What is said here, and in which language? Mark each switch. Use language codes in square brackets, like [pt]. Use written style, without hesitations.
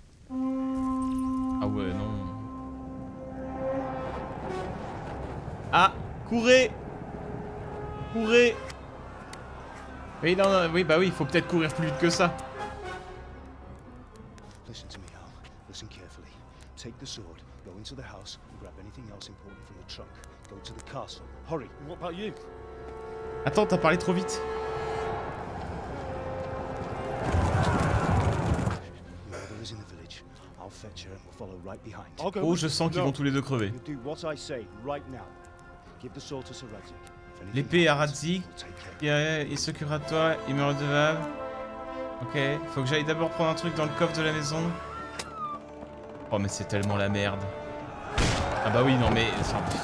[fr] Ah ouais, non. Ah, courez. Courez. Oui, non, non, oui, bah oui, il faut peut-être courir plus vite que ça. [en] Listen to me, Al. Listen carefully. Take the sword, go into the house, and grab anything else important from the trunk. Go to the castle. Hurry. What about you? [fr] Attends, t'as parlé trop vite. [en] Mother is in the village. I'll fetch her and we'll follow right behind. [fr] Oh, je sens qu'ils vont tous les deux crever. [en] You do what I say right now. Give the sword to Sir Radzik. [fr] L'épée à Radzik, il s'occupera de toi, il me redevable. Ok, faut que j'aille d'abord prendre un truc dans le coffre de la maison. Oh mais c'est tellement la merde. Ah bah oui, non mais... Enfin...